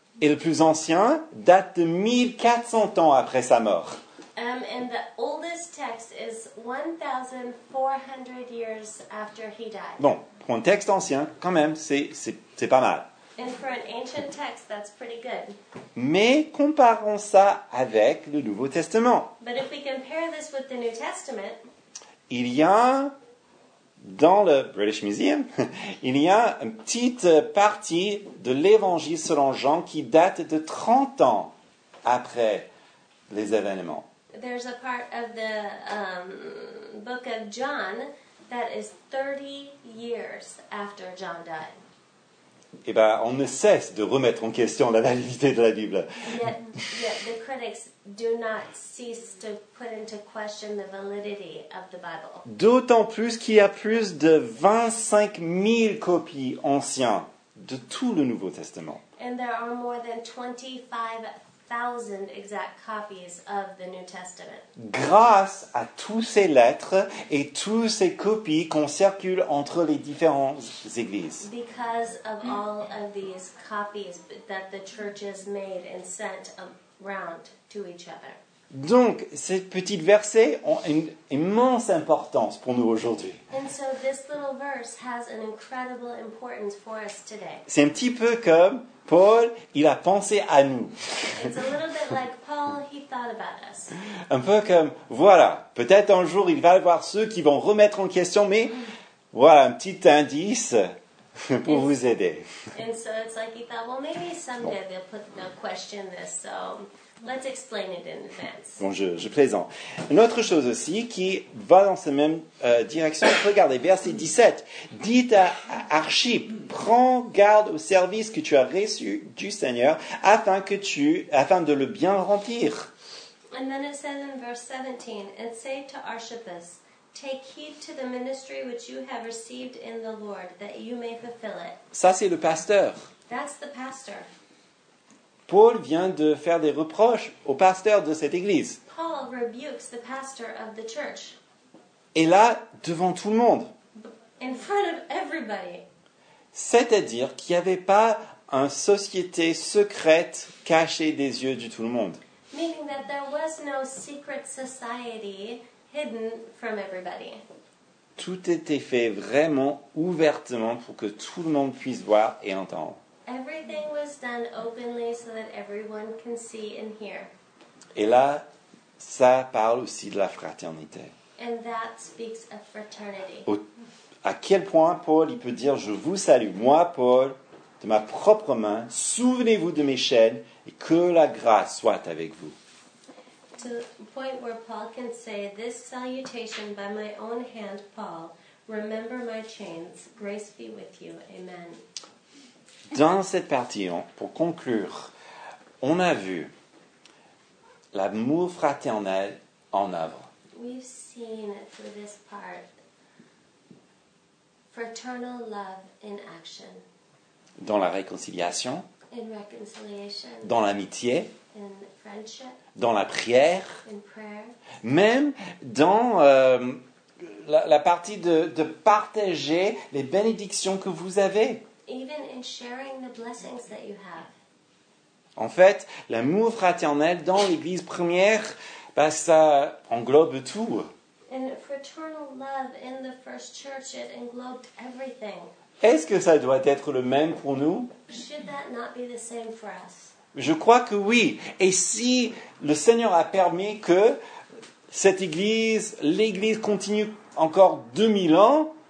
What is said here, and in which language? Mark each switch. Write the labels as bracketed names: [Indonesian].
[French] Et le plus ancien date de 1400 ans après sa mort. [English] And the oldest text is 1,400 years after he died. [French] Bon, pour un texte ancien, quand même, c'est pas mal. [English] And for an ancient text, that's pretty good. [French] Mais comparons ça avec le Nouveau Testament. [English] But if we compare this with the New Testament, [French] il y a, dans le British Museum, il y a une petite partie de l'Évangile selon Jean qui date de 30 ans après les événements. [English] There's a part of the book of John that is 30 years after John died. [French] Eh bien, on ne cesse de remettre en question la validité de la Bible. [English] Yet the critics do not cease to put into question the validity of the Bible. [French] D'autant plus qu'il y a plus de 25 000 copies anciennes de tout le Nouveau Testament. [English] And there are more than 25,000 exact copies of the New Testament. [French] Grâce à toutes ces lettres et toutes ces copies qu'on circule entre les différentes églises. [English] Because of all of these copies that the churches made and sent around to each other. [French] Donc, ces petits versets ont une immense importance pour nous aujourd'hui. [English] And so this little verse has an incredible importance for us today. [French] C'est un petit peu comme Paul, il a pensé à nous. [English] It's a little bit like Paul, he thought about us. [French] Un peu comme, voilà, peut-être un jour il va y avoir ceux qui vont remettre en question, mais voilà, un petit indice pour vous aider. [English] And so it's like he thought, well maybe someday they'll question this, so let's explain it in advance. [French] Bon, je plaisante. Une autre chose aussi qui va dans cette même direction, regardez, verset 17. Dites à Archip, prends garde au service que tu as reçu du Seigneur afin de le bien remplir. [English] And then it says in verse 17, and say to Archippus, take heed to the ministry which you have received in the Lord, that you may fulfill it. [French] Ça, c'est le pasteur. [English] That's the pastor. [French] Paul vient de faire des reproches au pasteur de cette église. [English] Paul rebukes the pastor of the church. [French] Et là, devant tout le monde. [English] In front of everybody. [French] C'est-à-dire qu'il n'y avait pas une société secrète cachée des yeux de tout le monde. [English] Meaning that there was no secret society hidden from everybody. [French] Tout était fait vraiment ouvertement pour que tout le monde puisse voir et entendre. [English] Everything was done openly so that everyone can see and hear. [French] Et là, ça parle aussi de la fraternité. [English] And that speaks of fraternity. [French] À quel point Paul il peut dire, je vous salue, moi Paul, de ma propre main, souvenez-vous de mes chaînes et que la grâce soit avec vous. [English] To the point where Paul can say, this salutation by my own hand, Paul, remember my chains, grace be with you, amen. [French] Dans cette partie, pour conclure, on a vu l'amour fraternel en œuvre. [English] We've seen through this part. Fraternal love in action. [French] Dans la réconciliation. [English] In reconciliation. [French] Dans l'amitié. [English] In friendship. [French] Dans la prière. [English] In prayer. [French] Même dans la partie de partager les bénédictions que vous avez. [English] Even in sharing the blessings that you have. [French] En fait, l'amour fraternel dans l'Église première, ça englobe tout. [English] And fraternal love in the first church, it englobed everything. [French] Est-ce que ça doit être le même pour nous? [English] Should that not be the same for us? [French] Je crois que oui. Et si le Seigneur a permis que cette église, l'église continue encore 2000 ans,